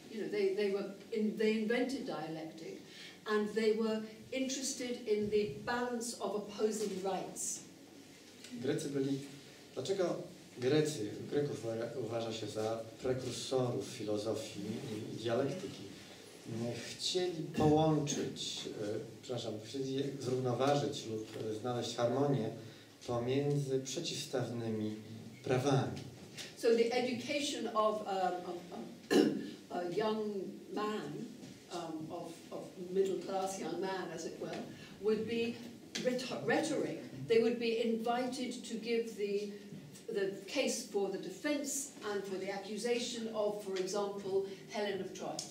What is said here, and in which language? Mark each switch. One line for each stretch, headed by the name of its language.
English: You know, they invented dialectic, and they were interested in the balance of opposing rights.
Polish: Grecy byli. Dlaczego Greków uważa się za prekursorów filozofii i dialektyki. Chcieli połączyć, przepraszam, chcieli zrównoważyć lub znaleźć harmonię pomiędzy przeciwstawnymi prawami.
English: So the education of a young man, of middle class young man, as it were, would be rhetoric. They would be invited to give the case for the defense and for the accusation of, for example, Helen of Troy.